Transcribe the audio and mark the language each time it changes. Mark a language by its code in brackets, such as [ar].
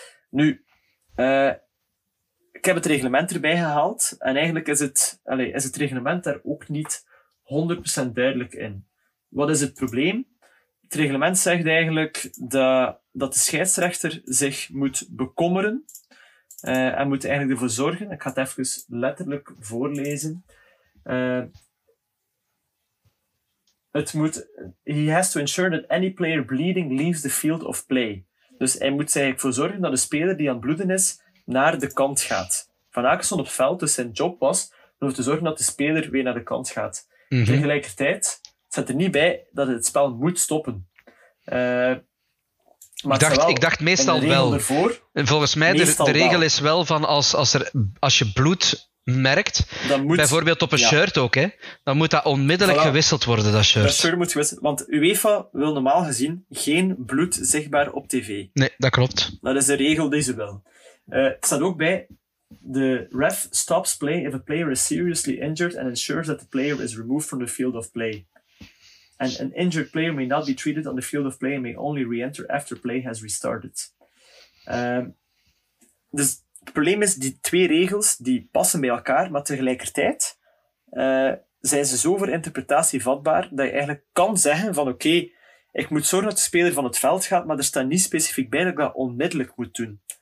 [nl] Nu, ik heb het reglement erbij gehaald en eigenlijk is het reglement daar ook niet 100% duidelijk in. Wat is het probleem? Het reglement zegt eigenlijk dat de scheidsrechter zich moet bekommeren en moet eigenlijk ervoor zorgen, ik ga het even letterlijk voorlezen. [en] He has to ensure that any player bleeding leaves the field of play. [nl] Dus hij moet eigenlijk voor zorgen dat de speler die aan het bloeden is, naar de kant gaat. Van Aken stond op het veld, dus zijn job was om ervoor te zorgen dat de speler weer naar de kant gaat. Mm-hmm. Tegelijkertijd staat er niet bij dat het spel moet stoppen. Ik dacht meestal wel. Ervoor, volgens mij, de regel is wel van als je bloed merkt, bijvoorbeeld op een shirt ook, hè, dan moet dat onmiddellijk gewisseld worden, dat shirt. Dat shirt moet gewisseld worden, want UEFA wil normaal gezien geen bloed zichtbaar op tv. Nee, dat klopt. Dat is de regel die ze wil. Het staat ook bij, [en] the ref stops play if a player is seriously injured and ensures that the player is removed from the field of play. And an injured player may not be treated on the field of play and may only re-enter after play has restarted. [nl] Dus het probleem is, die twee regels die passen bij elkaar, maar tegelijkertijd zijn ze zo voor interpretatie vatbaar dat je eigenlijk kan zeggen van oké, ik moet zorgen dat de speler van het veld gaat, maar er staat niet specifiek bij dat ik dat onmiddellijk moet doen.